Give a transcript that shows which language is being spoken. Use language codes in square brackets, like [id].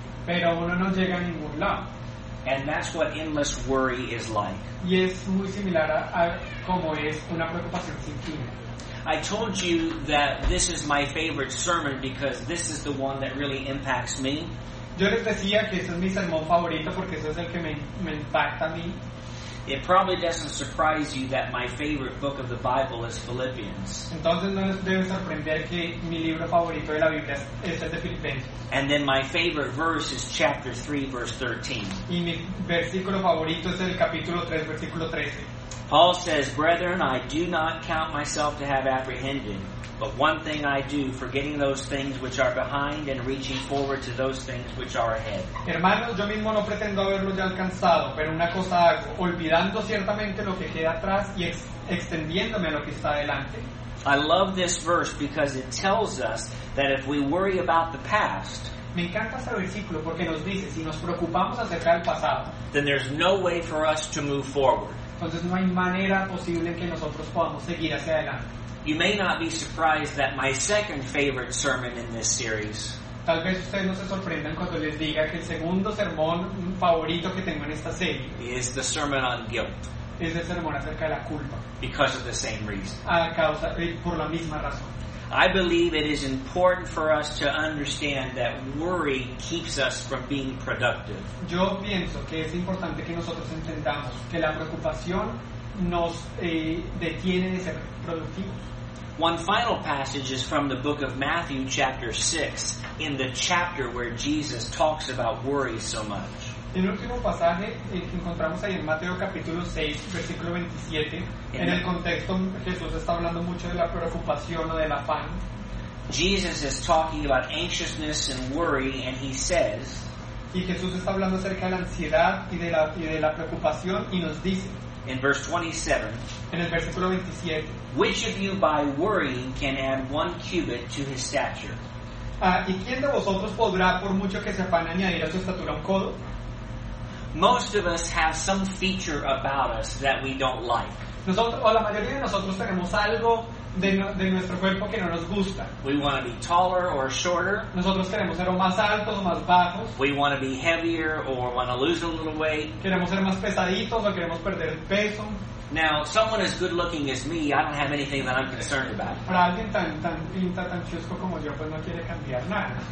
[es] Pero uno no llega a ningún lado. [en] And that's what endless worry is like. [es] Y es muy similar a como es una preocupación sin fin. [en] I told you that this is my favorite sermon because this is the one that really impacts me. [es] Yo les decía que ese es mi sermón favorito porque ese es el que me impacta a mí. [en] It probably doesn't surprise you that my favorite book of the Bible is Philippians. [es] Entonces no les debe sorprender que mi libro favorito de la Biblia es el de Filipenses. [en] And then my favorite verse is chapter 3, verse 13. [es] Y mi versículo favorito es el capítulo 3, versículo 13. [en] Paul says, Brethren, I do not count myself to have apprehended, but one thing I do, forgetting those things which are behind and reaching forward to those things which are ahead. [es] Hermanos, yo mismo no pretendo haberlo ya alcanzado, pero una cosa hago, olvidando ciertamente lo que queda atrás y extendiéndome a lo que está adelante. [en] I love this verse because it tells us that if we worry about the past, [es] me encanta ese versículo porque nos dice, si nos preocupamos acerca del pasado, [en] then there's no way for us to move forward. [es] Entonces no hay manera posible en que nosotros podamos seguir hacia adelante. [en] You may not be surprised that my second favorite sermon in this series. [es] Tal vez ustedes no se sorprendan cuando les diga que el segundo sermón favorito que tengo en esta serie [en] is the sermon on guilt. [es] Es el sermón acerca de la culpa. [en] Because of the same reason. [es] A causa por la misma razón. [en] I believe it is important for us to understand that worry keeps us from being productive. [es] Yo pienso que es importante que nosotros entendamos que la preocupación nos detiene de ser productivos. [en] One final passage is from the book of Matthew chapter 6 in the chapter where Jesus talks about worry so much. [es] El último pasaje que encontramos ahí en Mateo capítulo 6, versículo 27, en el contexto Jesús está hablando mucho de la preocupación o del afán. [en] Jesus is talking about anxiousness and worry and he says, [es] y Jesús está hablando acerca de la ansiedad y de la preocupación y nos dice [en] in verse 27, [es] en el versículo 27, [en] which of you by worrying can add one cubit to his stature? [es] ¿Y quién de vosotros podrá por mucho que se afane añadir a su estatura un codo? [en] Most of us have some feature about us that we don't like. [es] Nosotros, o la mayoría de nosotros tenemos algo de nuestro cuerpo que no nos gusta. [en] We want to be taller or shorter. [es] Nosotros queremos ser más altos o más bajos. [en] We want to be heavier or want to lose a little weight. [es] Queremos ser más pesaditos o queremos perder el peso. [en] Now, someone as good looking as me, I don't have anything that I'm concerned about. [es] Para alguien tan tan pinta, tan chusco como yo, pues no quiere cambiar nada.